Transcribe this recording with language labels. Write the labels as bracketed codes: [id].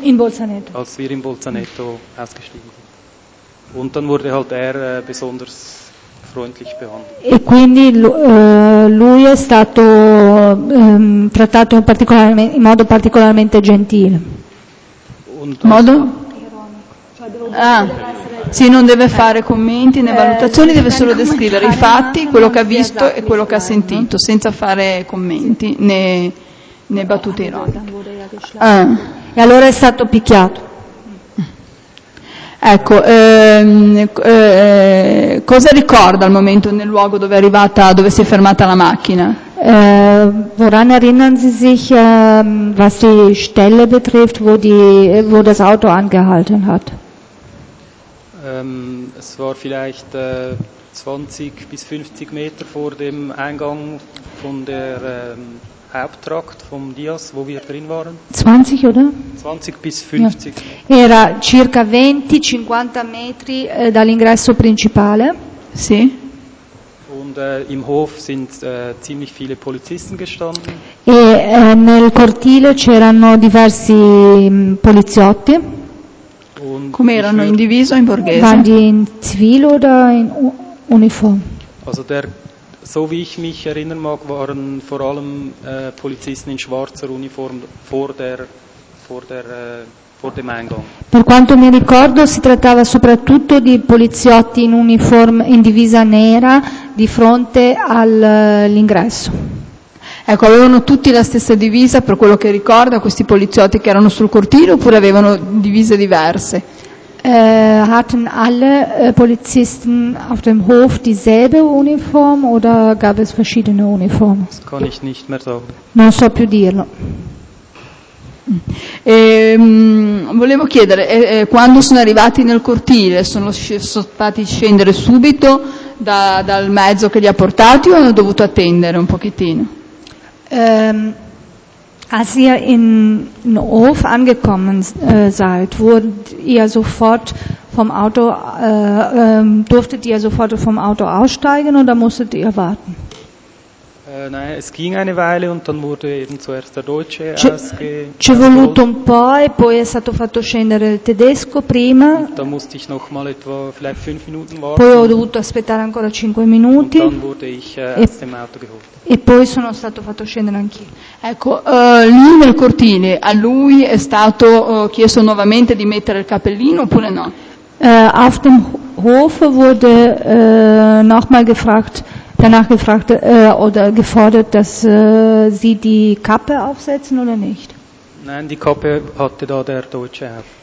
[de] in Bolzaneto. Als wir in Bolzaneto ausgestiegen sind. Und dann wurde halt er besonders freundlich behandelt. [it] E quindi lui è stato trattato in modo particolarmente gentile. Modo? Sì, non deve fare commenti né valutazioni, deve solo descrivere i fatti, quello che ha visto e quello che ha sentito, senza fare commenti né. Ne battute ironiche. E allora è stato picchiato. Ecco, cosa ricorda al momento nel luogo dove è arrivata, dove si è fermata la macchina? [de] Woran erinnern Sie sich, was die Stelle betrifft, wo das Auto angehalten hat? Es war vielleicht 20 bis 50 Meter vor dem Eingang von der Haupttrakt vom Dias, wo wir drin waren. 20, oder? 20 bis 50. Ja. [it] Era circa 20-50 metri dall'ingresso principale. Sì. [de] Und im Hof sind ziemlich viele Polizisten gestanden. [it] E nel cortile c'erano diversi poliziotti. Und come erano, in diviso o in borghese? [de] Waren die in Zivil oder in Uniform? Also der so wie ich mich erinnern mag, waren vor allem Polizisten in schwarzer Uniform vor dem Eingang. [it] Per quanto mi ricordo, si trattava soprattutto di poliziotti in uniforme, in divisa nera, di fronte all'ingresso. Ecco, avevano tutti la stessa divisa, per quello che ricordo, questi poliziotti che erano sul cortile, oppure avevano divise diverse? [de] Hatten alle Polizisten auf dem Hof dieselbe Uniform oder gab es verschiedene Uniformen? Das kann ich nicht mehr sagen. [it] Non so più dirlo. Volevo chiedere, quando sono arrivati nel cortile, sono stati scendere subito dal mezzo che li ha portati o hanno dovuto attendere un pochettino? [de] Als ihr in Hof angekommen seid, durftet ihr sofort vom Auto aussteigen oder musstet ihr warten? Nein, es ging eine Weile und dann wurde eben zuerst der Deutsche [it] C'è voluto un po' e poi è stato fatto scendere il tedesco prima. [de] Da musste ich noch mal etwa vielleicht 5 Minuten warten. [it] Poi ho dovuto aspettare ancora 5 minuti. [de] Und dann wurde ich aus dem Auto geholt. [it] E poi sono stato fatto scendere anch'io. Ecco, lì nel cortile, a lui è stato chiesto nuovamente di mettere il cappellino oppure no? [de] Auf dem Hof wurde nochmal gefragt. Danach gefragt oder gefordert, dass sie die Kappe aufsetzen oder nicht? Nein, die Kappe hatte da der Deutsche auf.